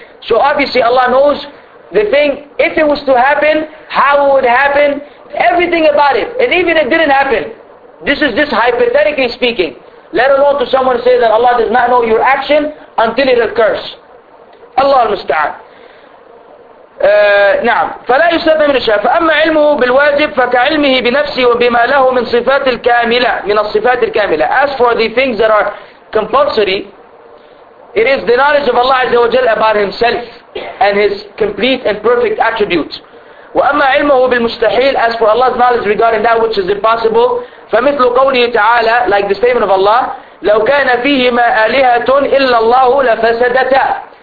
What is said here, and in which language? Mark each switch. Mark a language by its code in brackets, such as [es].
[en] So obviously Allah knows the thing. If it was to happen, how it would happen, everything about it. And even if it didn't happen, this is just hypothetically speaking. Let alone to someone say that Allah does not know your action until it occurs. Allah al-musta'an. [ar] نعم فلا يستثنى من الشيء فأما علمه بالواجب فكعلمه بنفسه وبما له من صفات الكاملة من الصفات الكاملة. [en] As for the things that are compulsory, it is the knowledge of Allah عز وجل about Himself and His complete and perfect attributes. [ar] وأما علمه بالمستحيل, [en] as for Allah's knowledge regarding that which is impossible, [ar] فمثل قوله تعالى, [en] like the statement of Allah, [ar] لو كان فيهما آلهة إلا الله لفسدتا.